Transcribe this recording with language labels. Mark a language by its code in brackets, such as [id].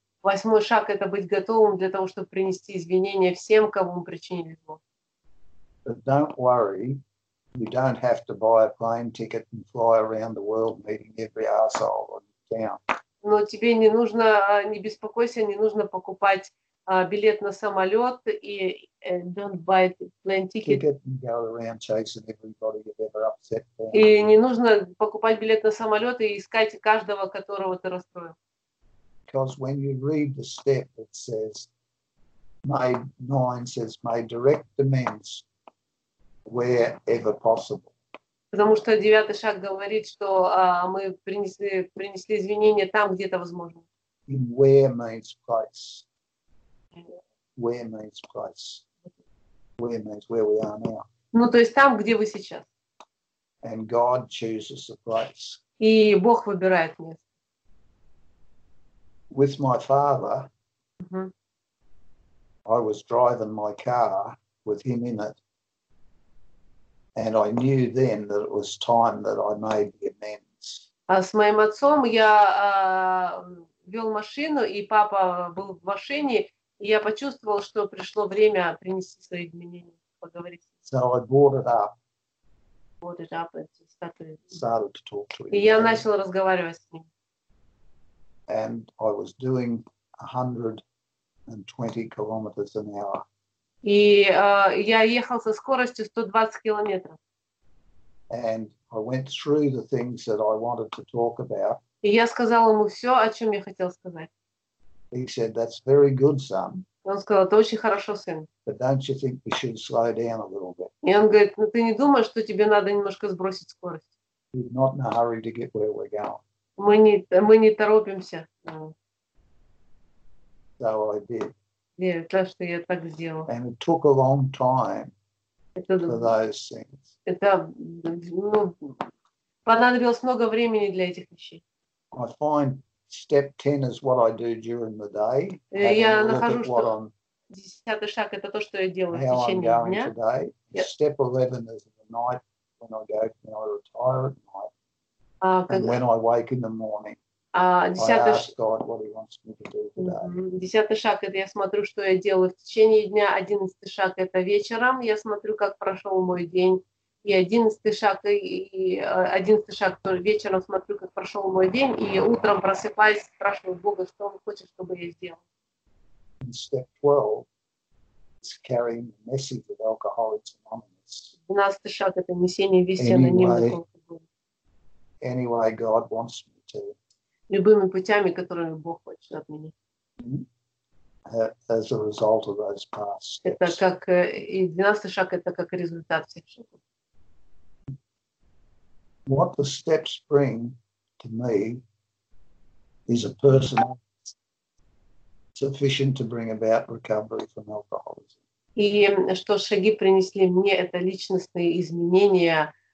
[ru] Восьмой шаг – это быть готовым для того, чтобы принести извинения всем, кому мы причинили зло. [en] But don't worry, you don't have to buy a plane ticket and fly around the world meeting every asshole in town. [ru] Но тебе не нужно, не беспокойся, не нужно покупать билет на самолет и [en] don't buy a plane ticket. Ticket and go around chasing everybody you've ever upset. [ru] И не нужно покупать билет на самолет и искать каждого, которого ты расстроил. [en] Because when you read the step, it says, "May 9 says, may direct amends." Wherever possible. [ru] Потому что девятый шаг говорит, что мы принесли извинения там, где это возможно. [en] In where means place. where means place. Where means where we are now. [ru] Ну, то есть там, где вы сейчас. [en] And God chooses the place. [ru] И Бог выбирает место. [en] With my father, I was driving my car with him in it. And I knew then that it was time that I made the amends. [ru] А с моим отцом я вел машину, и папа был в машине, и я почувствовал, что пришло время принести свои изменения, поговорить. [en] So I brought it up. Brought it up and started to talk to him. [ru] И я начал разговаривать с ним. [en] And I was doing 120 kilometers an hour. [ru] И я ехал со скоростью 120 километров. [en] And I went through the things that I wanted to talk about. [ru] И я сказал ему все, о чем я хотел сказать. [en] He said, "That's very good, son." [ru] Он сказал, это очень хорошо, сын. [en] But don't you think we should slow down a little bit? [ru] И он говорит, ну ты не думаешь, что тебе надо немножко сбросить скорость? [en] We're not in a hurry to get where we're going. [ru] Мы не торопимся. [en] So I did. [ru] Нет, то, что я так сделал. And it took a long time for those things. Это, ну, понадобилось много времени для этих вещей. [en] I find step 10 is what I do during the day. [ru] Я нахожу, что десятый шаг — это то, что я делаю в течение дня. [en] Yep. Step 11 is the night when I go, when I retire at night. And when I wake in the morning, I ask God what he wants me to do today. [ru] Десятый шаг — это я смотрю, что я делаю в течение дня. Одиннадцатый шаг — это вечером. Я смотрю, как прошел мой день. И одиннадцатый шаг тоже вечером смотрю, как прошел мой день. И утром просыпаюсь, спрашиваю Бога, что он хочет, чтобы я сделал. [en] Step 12 is carrying the message of Alcoholics Anonymous. [ru] Двенадцатый шаг — это несение вести анонимных алкоголиков. [en] Any way God wants me to. [ru] Любыми путями, которыми Бог хочет от меня. [en] As a result of those past steps. [ru] Это как, и 12 шаг — это как результат всех шагов. [en] What the steps bring to me is a personal sufficient to bring about recovery from alcoholism. [ru] И что шаги принесли мне, это личностные изменения.